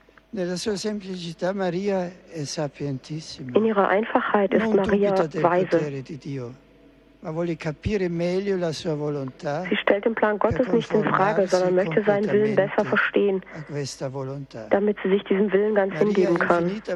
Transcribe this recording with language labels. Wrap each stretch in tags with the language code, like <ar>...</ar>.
<it>Nella sua semplicità Maria è sapientissima.</it> <de>In ihrer Einfachheit ist Maria weise.</de> <it>Ma vuole capire meglio la sua volontà.</it> <de>Sie stellt den Plan Gottes nicht in Frage, sondern möchte seinen Willen besser verstehen, damit sie sich diesem Willen ganz hingeben kann.</de>